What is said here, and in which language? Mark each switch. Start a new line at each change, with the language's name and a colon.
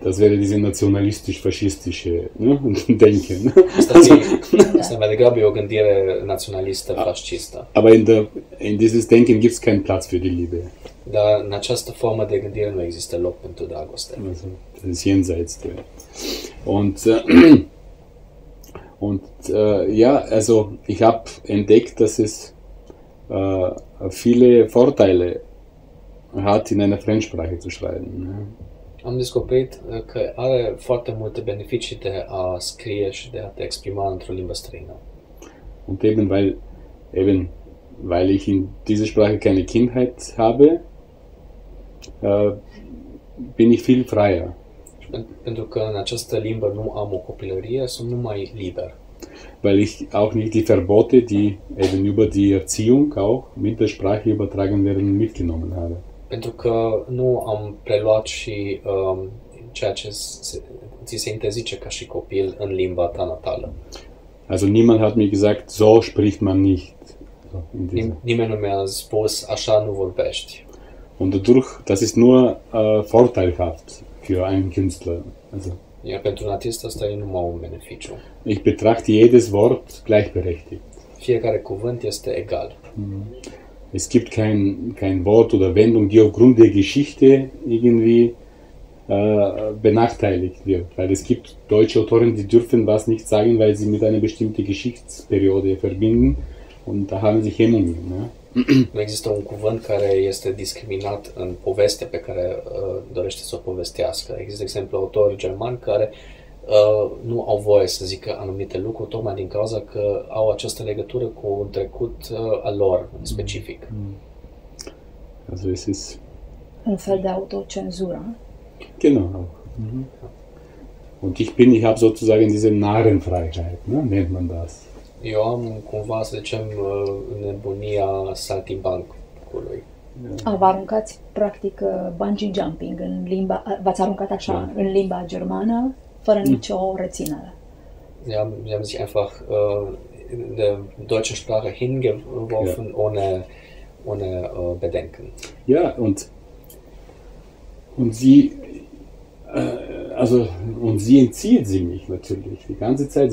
German: Das wäre diese nationalistisch-faschistische, ne? Denken.
Romanian: Asta e mai degrabă o gândire naționalistă-faschistă.
German: Aber in dieses Denken gibt es keinen Platz für die Liebe.
Romanian: Dar în această formă de gândire nu există loc pentru dragoste.
German: Das ist jenseits der. Und ja, also ich habe entdeckt, dass es viele Vorteile hat, in einer Fremdsprache zu schreiben.
Romanian: Am descoperit că are foarte multe beneficii de a scrie și de a te exprima într-o limbă străină.
German: Und eben weil ich in dieser Sprache keine Kindheit habe, bin ich viel freier.
Romanian: Pentru că în această limbă nu am o copilărie, sunt numai liber.
German: Weil ich auch nicht die Verbote, die eben über die Erziehung auch mit der Sprache übertragen werden, mitgenommen habe.
Romanian: Pentru că nu am preluat și ceea ce ți se interzice ca și copil în limba ta natală.
German: Also niemand hat mir gesagt, so spricht man nicht.
Romanian: Nimeni nu mi-a spus, așa nu vorbești.
German: Und dadurch, das ist nur vorteilhaft für einen Künstler. Also,
Romanian: ja, pentru un artist asta e numai un beneficiu.
German: Ich betrachte jedes Wort gleichberechtigt.
Romanian: Fiecare cuvânt este egal.
German: Es gibt kein Wort oder Wendung, die aufgrund der Geschichte irgendwie benachteiligt wird. Weil es gibt deutsche Autoren, die dürfen was nicht sagen, weil sie mit einer bestimmten Geschichtsperiode verbinden. Und da haben sie Hemmungen. Ne?
Romanian: Nu există un cuvânt care este discriminat în povestea pe care dorește să o povestească. Există, de exemplu, autori germani care nu au voie să zică anumite lucruri tocmai din cauza că au această legătură cu un trecut al lor specific.
German: Also es ist
Romanian: un fel de autocenzură.
German: Genau. Und ich habe sozusagen diese Narrenfreiheit, ne? Nennt man das.
Romanian: Eu am cumva, să zicem, nebunia saltimbancului. A, vă aruncați, practic, bungee jumping în limba, v-ați aruncat așa, da, în limba germană, fără nicio reținere.
German: Sie haben sich einfach in der deutschen Sprache hingeworfen, ja, ohne Bedenken. Ja, und sie, also, und sie entzieht sie mich natürlich die ganze Zeit.